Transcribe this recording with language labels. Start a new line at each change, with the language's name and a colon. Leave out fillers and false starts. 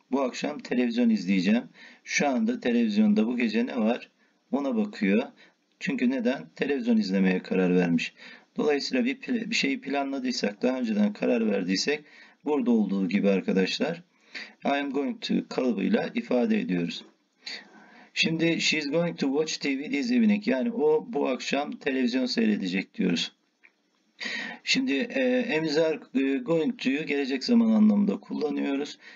Turkish: Bu akşam televizyon izleyeceğim. Şu anda televizyonda bu gece ne var? Ona bakıyor. Çünkü neden? Televizyon izlemeye karar vermiş. Dolayısıyla bir şeyi planladıysak, daha önceden karar verdiysek, burada olduğu gibi arkadaşlar,
English: I am going to
Turkish: kalıbıyla ifade ediyoruz.
English: Şimdi she's going to watch TV this evening.
Turkish: Yani o bu akşam televizyon seyredecek diyoruz. Şimdi
English: am is going to'yu
Turkish: gelecek zaman anlamında kullanıyoruz.